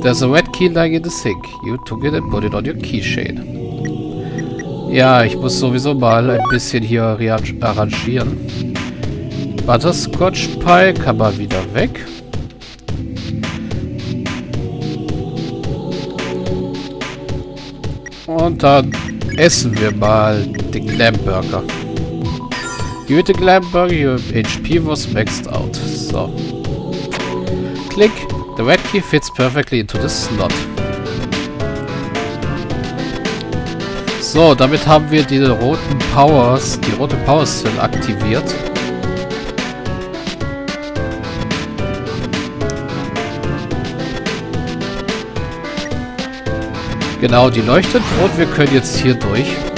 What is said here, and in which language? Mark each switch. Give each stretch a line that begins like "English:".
English: There's a red key lying in the sink. You took it and put it on your keychain.
German: Ja, ich muss sowieso mal ein bisschen hier arrangieren. Butterscotch Pie kann man wieder weg. Und dann essen wir mal den Glam Burger.
English: You ate the Glam Burger, your HP was maxed out. So. Click. The red key fits perfectly into the slot.
German: So, damit haben wir die rote Power Cell aktiviert. Genau, die leuchtet rot. Wir können jetzt hier durch.